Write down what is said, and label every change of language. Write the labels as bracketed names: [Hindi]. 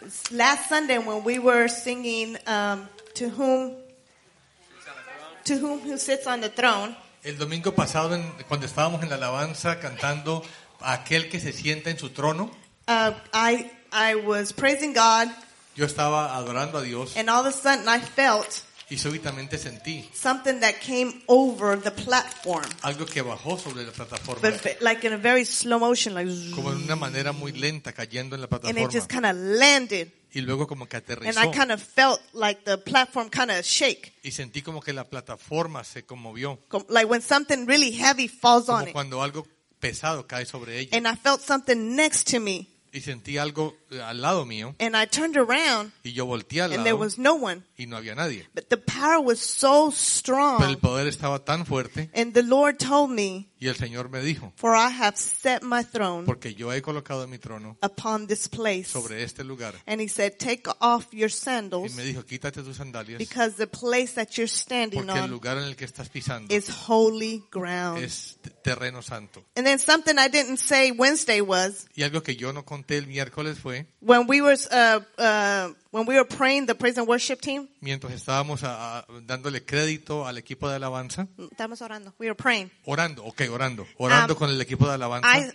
[English] Last Sunday when we were singing, to whom who sits on the throne. [Spanish] El domingo pasado, cuando estábamos en la alabanza cantando, aquel que se sienta en su trono. [English] I was praising God. [Spanish] Yo estaba adorando a Dios. [English] And all of a sudden I felt [Spanish] y súbitamente sentí [English] something that came over the platform. [Spanish] Algo que bajó sobre la plataforma. [English] But like in a very slow motion, like [Spanish] como en una manera muy lenta cayendo en la plataforma. [English] And it just kind of landed. [Spanish] Y luego como que aterrizó. [English] And I kind of felt like the platform kind of shake. [Spanish] Y sentí como que la plataforma se conmovió. [English] Like when something really heavy falls [Spanish] como [English] on it. [Spanish] Cuando algo pesado cae sobre ella. [English] And I felt something next to me. [Spanish] Y sentí algo al lado mío. [English] And I turned around. [Spanish] Y yo volteé al lado. [English] And there was no one. [Spanish] Y no había nadie. [English] But the power was so strong. [Spanish] Pero el poder estaba tan fuerte. [English] And the Lord told me. [Spanish] Y el Señor me dijo. [English] For I have set my throne. [Spanish] Porque yo he colocado mi trono. [English] Upon this place. [Spanish] Sobre este lugar. [English] And he said, take off your sandals. [Spanish] Y me dijo, quítate tus sandalias. [English] Because the place that you're standing on. [Spanish] Porque el lugar en el que estás pisando. [English] Is holy ground. [Spanish] Es terreno santo. [English] And then something I didn't say Wednesday was. [Spanish] Y algo que yo no conté el miércoles fue. [English] When we were praying the praise and worship team. [Spanish] Mientras estábamos dándole crédito al equipo de alabanza. Estamos orando. [English] We were praying. [Spanish] Orando. Okay, orando. Orando con el equipo de alabanza.